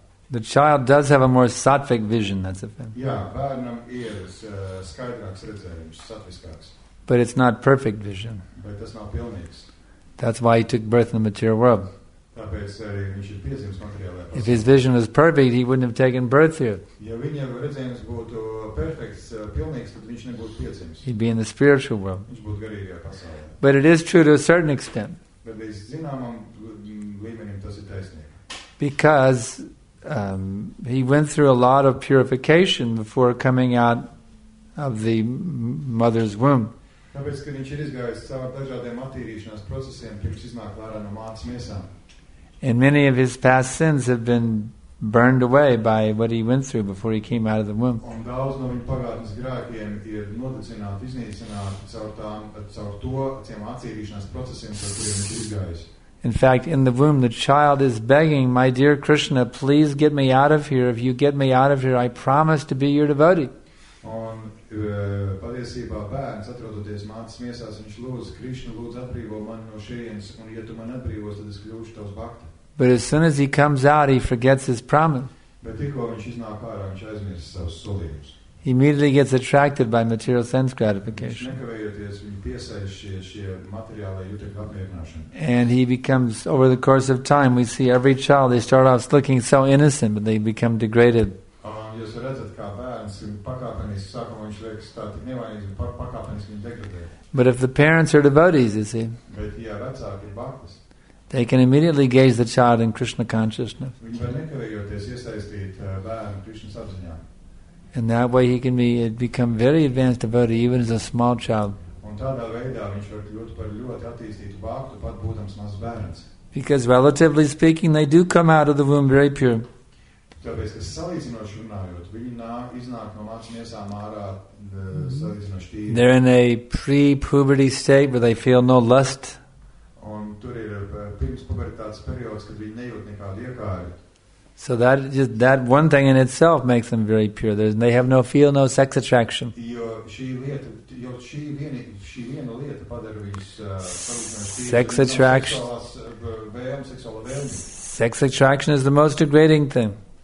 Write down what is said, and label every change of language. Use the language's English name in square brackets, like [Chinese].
[English] The child does have a more sattvic vision, that's a fact. [Latvian] Yeah, bērnam ir skaidrāks redzējums, sattviskāks. [English] But it's not perfect vision. [Latvian] Bet tas nav pilnīgs. [English] That's why he took birth in the material world. [Latvian] Tāpēc arī viņš ir piedzimis materiālajā pasaulē. [English] If his vision was perfect, he wouldn't have taken birth here. [Latvian] Ja viņa redzējums būtu perfekts, pilnīgs, tad viņš nebūtu piedzimis. [English] He'd be in the spiritual world. [Latvian] Viņš būtu garīgajā pasaulē. [English] But it is true to a certain extent. [Latvian] Bet līdz zināmam līmenim tas ir taisnība. [English] Because he went through a lot of purification before coming out of the mother's womb. [Latvian] Tāpēc, ka viņš ir izgājis caur dažādiem attīrīšanās procesiem, pirms iznāk vērā no mātes miesām. [English] And many of his past sins have been burned away by what he went through before he came out of the womb. [Latvian] Un daudz no viņa pagātnes grēkiem ir notecināti, iznīcināti caur to, tiem atcīrīšanās procesiem, caur kuriem viņš ir izgājis. [English] In fact, in the womb, the child is begging, my dear Krishna, please get me out of here. If you get me out of here, I promise to be your devotee. [Latvian] Un patiesībā bērns, atrodoties mātes miesās, viņš lūdz, Krišna, lūdz atbrīvo mani no šejienes, un ja tu mani atbrīvos, tad es kļūšu tavs bhakti. [English] But as soon as he comes out, he forgets his promise. [Latvian] Bet tikko viņš iznāk ārā, viņš aizmirst savus solījumus. [English] He immediately gets attracted by material sense gratification. [Latvian] Viņš nekavējoties, viņš piesaist šie materiālai jūtekļu apmierināšanu. [English] And he becomes, over the course of time, we see every child, they start off looking so innocent, but they become degraded. [Latvian] Jūs redzat, kā bērns pakāpeniski sākumā viņš liekas tā tik nevainīgs, bet pakāpeniski viņš degradē. [English] But if the parents are devotees, you see, [Latvian] bet, ja vecāki ir bhaktis, [English] they can immediately gaze the child in Krishna consciousness. [Latvian] Viņš var nekavējoties iesaistīt bērnu Krishna apziņā. [English] And that way he can become very advanced devotee even as a small child. [Latvian] Un tādā veidā viņš var kļūt par ļoti attīstītu bhaktu, pat būdams mazs bērns. [English] Because relatively speaking, they do come out of the womb very pure. [Latvian] Tāpēc, ka salīdzinoši runājot, viņi iznāk no mātes miesām ārā salīdzinoši tīri. [English] They're in a pre-puberty state where they feel no lust. [Latvian] Un tur ir pirms pubertātes periods, kad viņi nejūt nekādu iekāri. [English] So that one thing in itself makes them very pure. They have no feel, no sex attraction. Sex attraction is the most degrading thing.